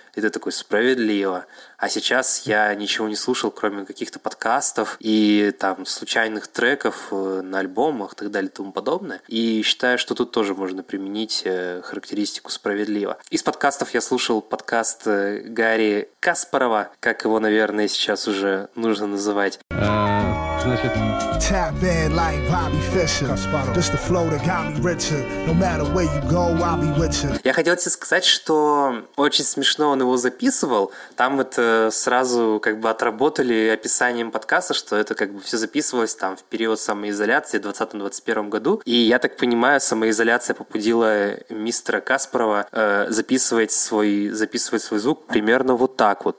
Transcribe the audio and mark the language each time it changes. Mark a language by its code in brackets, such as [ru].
[ru] И ты такой: справедливо. А сейчас я ничего не слушал, кроме каких-то подкастов и там случайных треков на альбомах и так далее и тому подобное. И считаю, что тут тоже можно применить характеристику «справедливо». Из подкастов я слушал подкаст Гарри Каспарова, как его, наверное, сейчас уже нужно называть. [en] Tap in like Bobby Fischer. Just the flow that got me richer. No matter where you go, I'll be with you. [ru] Я хотел тебе сказать, что очень смешно он его записывал. Там это сразу как бы отработали описанием подкаста, что это как бы все записывалось там в период самоизоляции в 2020-2021 году. И я так понимаю, самоизоляция побудила мистера Каспарова записывать свой звук примерно вот так вот.